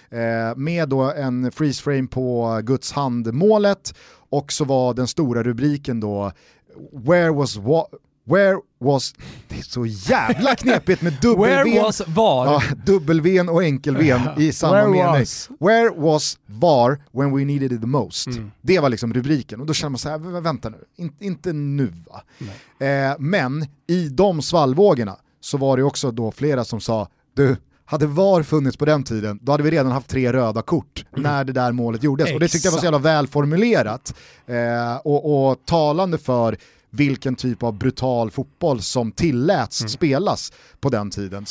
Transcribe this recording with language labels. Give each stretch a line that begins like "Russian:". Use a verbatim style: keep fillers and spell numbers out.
Swedish: Eh, med då en freeze frame på Guds handmålet, och så var den stora rubriken då
English: Where was what Where was
Swedish: det är så jävla knepigt med
English: Where
Swedish: dubbel-v.
English: was var?
Swedish: Ja, dubbel-v och enkel-v i samma
English: Where
Swedish: mening.
English: was? Where was V A R when we needed it the most?
Swedish: Det var liksom rubriken. Och då känner man så här, "Vä- vänta nu, In- inte nu va?" Eh, men i de svallvågorna så var det också då flera som sa, du, hade V A R funnits på den tiden, då hade vi redan haft tre röda kort när det där målet gjordes. Och det tyckte jag var så jävla välformulerat eh, och, och talande för vilken typ av brutal fotboll som tilläts spelas på den tiden.